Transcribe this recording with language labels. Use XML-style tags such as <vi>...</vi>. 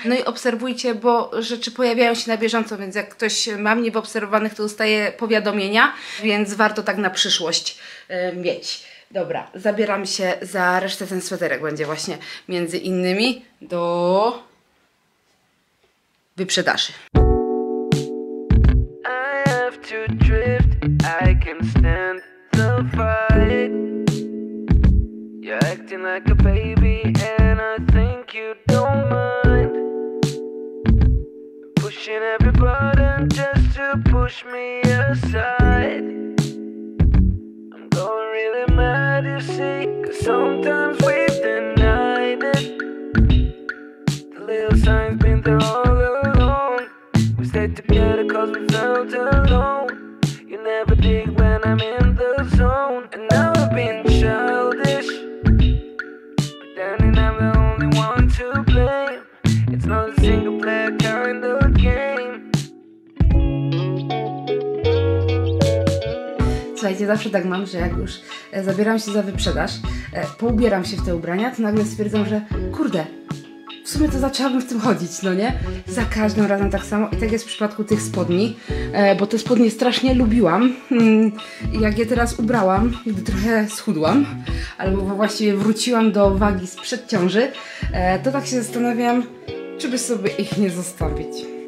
<pl>No i obserwujcie, bo rzeczy pojawiają się na bieżąco, więc jak ktoś ma mnie w obserwowanych, to dostaje powiadomienia, więc warto tak na przyszłość mieć. Dobra, zabieram się za resztę, ten sweterek będzie właśnie między innymi do wyprzedaży.</pl> <en>I have to drift, I can stand the fight. You're acting like a baby and I think you don't mind. Pushing every button just to push me aside. Don't really matter, you see, 'cause sometimes we've denied it. The little signs been there all along. We stayed together 'cause we felt alone. You never dig when I'm in the zone. And now I've been childish, pretending I'm the only one to blame. It's not a single player kind of game.</en> <pl>Słuchajcie, zawsze tak mam, że jak już zabieram się za wyprzedaż, poubieram się w te ubrania, to nagle stwierdzam, że kurde, w sumie to zaczęłabym w tym chodzić, no nie? Za każdym razem tak samo i tak jest w przypadku tych spodni, bo te spodnie strasznie lubiłam, jak je teraz ubrałam, gdy trochę schudłam, albo właściwie wróciłam do wagi sprzed ciąży, to tak się zastanawiam, czy by sobie ich nie zostawić.</pl>